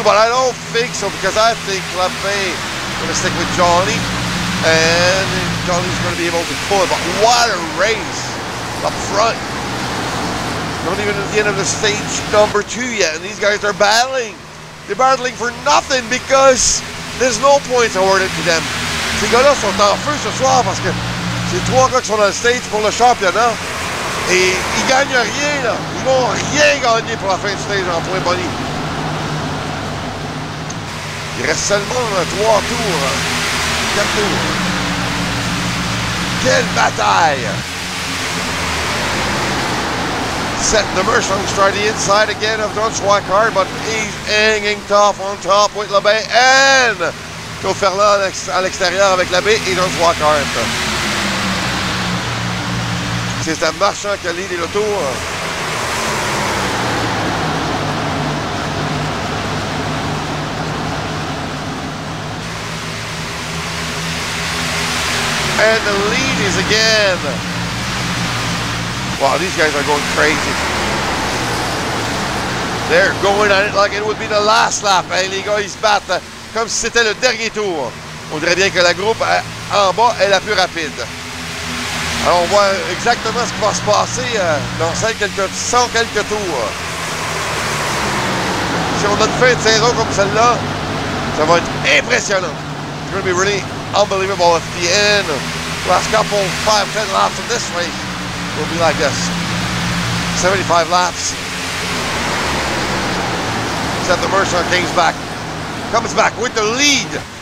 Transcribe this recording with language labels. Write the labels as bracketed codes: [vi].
[en] But I don't think so because I think Labbe is going to stick with Johnny. And Johnny's going to be able to pull it. But what a race up front. Not even at the end of the stage number 2 yet, and these guys are battling. They're battling for nothing because there's no points awarded to them. [fr] Ces gars-là sont en feu ce soir parce que c'est 3 gars qui sont dans le stage pour le championnat. Et ils gagnent rien là. Ils vont rien gagner pour la fin du stage en point bonus. Il reste seulement 3 tours. 4 tours. Quelle bataille! [en] Set the Mershongs try the inside again of John Swackhart, but he's hanging tough on top with Labbe and Joe Ferland [fr] à l'extérieur avec Labbe et John Swackhart. C'est un marchand qui a l'idée le tour. [en] And the lead is again. Wow, these guys are going crazy. They're going at it like it would be the last lap. [fr] Hein? Les gars, ils se battent comme si c'était le dernier tour. On dirait bien que la groupe en bas est la plus rapide. Alors, on voit exactement ce qui va se passer dans 100 quelques tours. Si on a une fin de saison comme celle-là, ça va être impressionnant. [en] It's going to be really unbelievable at the end. Last couple, 5-10 laps of this race. Will be like this. 75 laps. Except the Mercer comes back. Comes back with the lead.